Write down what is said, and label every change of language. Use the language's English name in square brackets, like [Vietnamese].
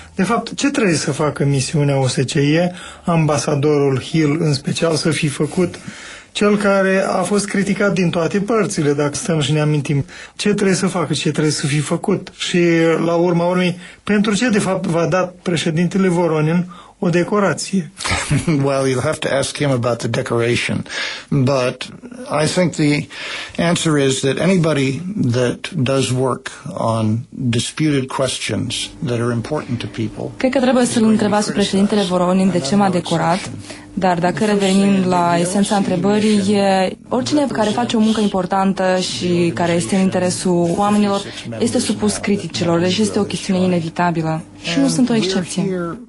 [Romanian] De fapt, ce trebuie să facă misiunea OSCE, ambasadorul Hill în special, să fi făcut cel care a fost criticat din toate părțile, dacă stăm și ne amintim? Ce trebuie să facă, ce trebuie să fi făcut? Și, la urma urmei, pentru ce, de fapt, v-a dat președintele Voronin o decorație? [English] Well, you'll have to ask him about the decoration, but I think the answer is that anybody that does work on disputed questions that are important to people. [Romanian] Cred că trebuie să-l întrebați președintele Voronin de ce m-a decorat. Dar dacă revenim la esența întrebării, oricine care face o muncă importantă și care este în interesul oamenilor este supus criticilor, deci este o chestiune inevitabilă și nu sunt o excepție.